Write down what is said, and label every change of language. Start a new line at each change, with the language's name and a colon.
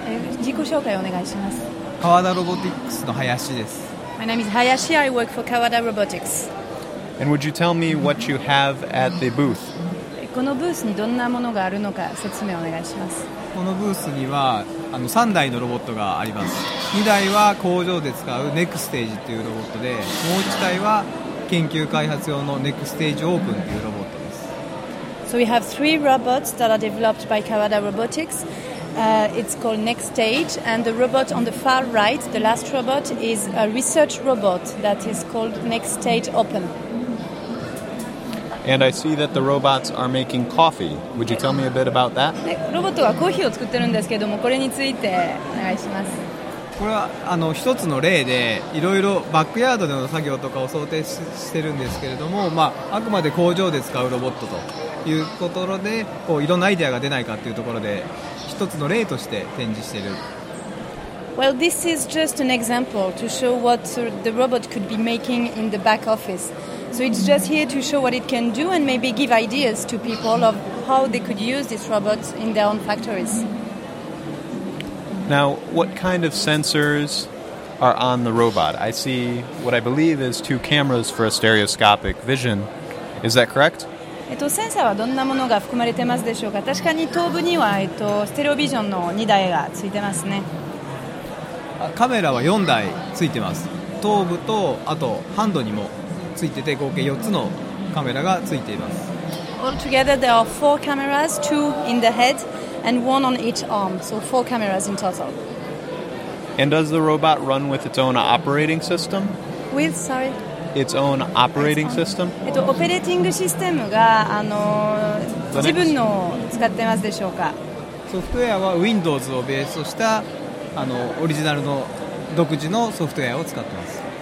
Japanese: 自己紹介お願いします。川田ロボティクスの林です。
English: My name is Hayashi. I work for Kawada Robotics. And would you tell me what you have at the booth?
Japanese: このブースにどんなものがあるのか説明お願いします。このブースには3台のロボットがあります。 2台は工場で使うネクステージというロボットで、もう1台は研究開発用のネクステージオープンというロボットです。
English: So we have 3 robots that are developed by Kawada Robotics. It's called Next Stage, and the robot on the far right, the last robot, is a research robot that is called Next Stage Open. And I see that the robots are making coffee. Would you tell me a bit about that?
Japanese: ロボットはコーヒーを作ってるんですけども、これについてお願いします。これは一つの例で、いろいろバックヤードでの作業とかを想定してるんですけれども、まあ、あくまで工場で使うロボットということで、こういろんなアイデアが出ないかというところで、一つの例として展示している。
English: Well, this is just an example to show what the robot could be making in the back office. So it's just here to show what it can do and maybe give ideas to people of how they could use this robot in their own factories. Now, what kind of sensors are on the robot? I see what I believe is 2 cameras for a stereoscopic vision. Is that correct?
Japanese: センサーはどんなものが含まれてますでしょうか。確かに頭部にはステレオビジョンの2台がついてますね。カメラは4台ついてます。頭部とあとハンドにもついてて、合計4つのカメラがついています。
English: Altogether there are 4 cameras, 2 in the head and 1 on each arm, so 4 cameras in total. And does the robot run with its own operating system? With, sorry? Its own operating system?
Japanese: オペレーティングシステムが自分のを使ってますでしょうか。ソフトウェアは Windows をベースとしたオリジナルの独自のソフトウェアを使ってます。